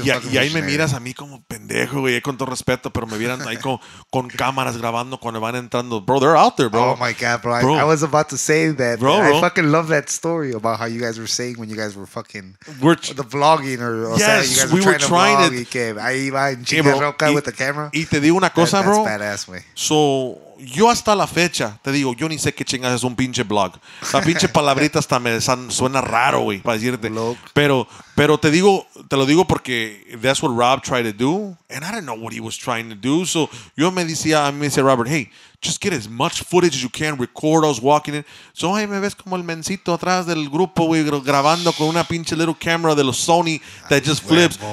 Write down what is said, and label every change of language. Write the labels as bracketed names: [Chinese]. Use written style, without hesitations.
[Spanish] Y ahí me miras a mí como pendejo, güey, con todo respeto, pero me vieran ahí con cámaras grabando cuando van entrando. [English] Bro, they're out there, bro. Oh my God, bro. I was about to say that. Bro. I fucking love that story about how you guys were saying when you guys were fucking the vlogging or yes, you guys we were trying to vlog. [Spanish] Y que ahí va en chingada roca [English] with the camera. [Spanish] Y te digo una cosa, bro. [English] That's badass, güey. So... [Spanish] yo hasta la fecha, te digo, yo ni sé qué chingas es un pinche blog. La pinche palabrita hasta me suena raro, güey, para decirte. Pero te digo, te lo digo porque [English] that's what Rob tried to do. And I didn't know what he was trying to do. So [Spanish] yo me decía [English] Robert, hey, just get as much footage as you can. Record us walking in. [Spanish] So ahí me ves como el mencito atrás del grupo, güey, grabando con una pinche [English] little camera [Spanish] de los Sony [English] that just flips.